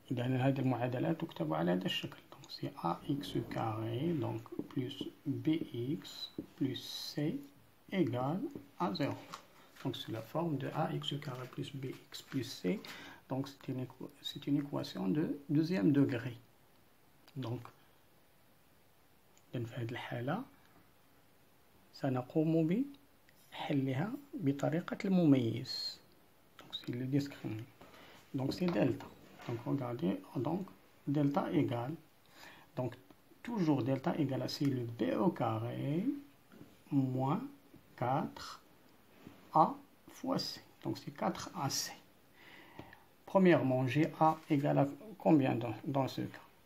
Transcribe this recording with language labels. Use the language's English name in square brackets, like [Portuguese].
[Arabic] إذا هذه المعادلة تكتب على هذا الشكل. [French] donc c'est a x carré donc plus b x plus c égal à 0. donc c'est la forme de a x carré plus b x plus c. donc c'est une équation de deuxième degré. donc dans cette [Arabic] حالة سنقوم بحلها بطريقة المميز. [French] donc c'est le discriminant. Donc c'est delta. Donc regardez, donc delta égale. Donc toujours delta égale à c'est le b au carré moins 4a fois c. Donc c'est 4ac. Premièrement, j'ai a égale à combien dans ce cas?